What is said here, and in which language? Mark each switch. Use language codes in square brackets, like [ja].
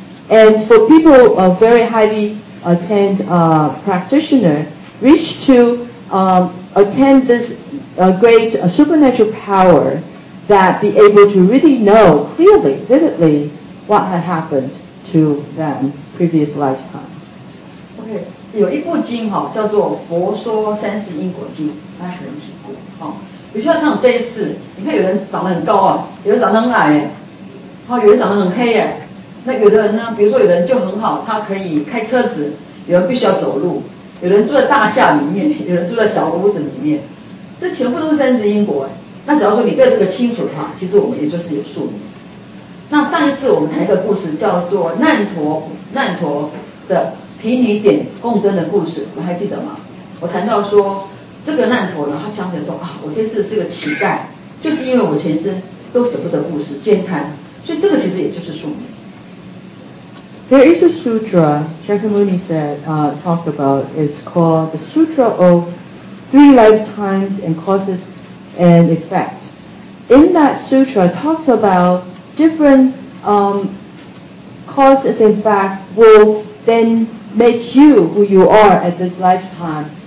[en] And for people of very highly attained practitioner reach to attend this great supernatural power that be able to really know clearly, vividly what had happened to them previous lifetime. Okay. [zh] 有一部经叫做《佛说三世因果经》，大家可能听过哈。比如说像这一次，你看有人长得很高有人长得很矮有人长得很黑那有的人呢，比如说有人就很好，他可以开车子，有人必须要走路，有人住在大厦里面，有人住在小屋子里面，这全部都是三世因果。那假如说你对这个清楚的话，其实我们也就是有宿命。那上一次我们谈一个故事，叫做难陀的。提女点共灯的故事，你还记得吗？我谈到说这个难陀呢，他想起来说我这次是个乞丐，就是因为我前身都舍不得布施兼贪，所以这个其实也就是宿命。 [en] There is a sutra, Shakyamuni said, talked about, it's called the Sutra of Three Lifetimes and Causes and Effect. In that sutra, it talks about different causes and effects will then make you who you are at this lifetime.